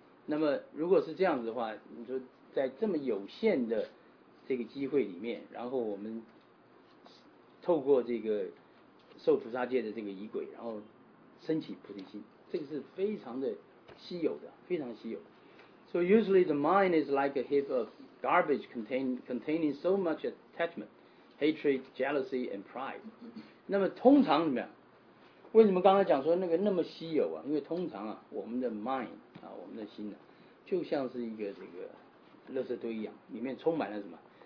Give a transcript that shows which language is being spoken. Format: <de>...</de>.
<zh>那么如果是这样子的话，你说在这么有限的这个机会里面，然后我们透过这个受菩萨戒的这个仪轨，然后升起菩提心，这个是非常的稀有的，非常稀有。</zh> <en>So usually the mind is like a heap of garbage containing so much attachment, hatred, jealousy, and pride.</en> <zh>那么通常怎么样？为什么刚才讲说那个那么稀有啊？因为通常啊，我们的 mind 啊，我们的心呢、啊，就像是一个这个垃圾堆一样，里面充满了什么？</zh>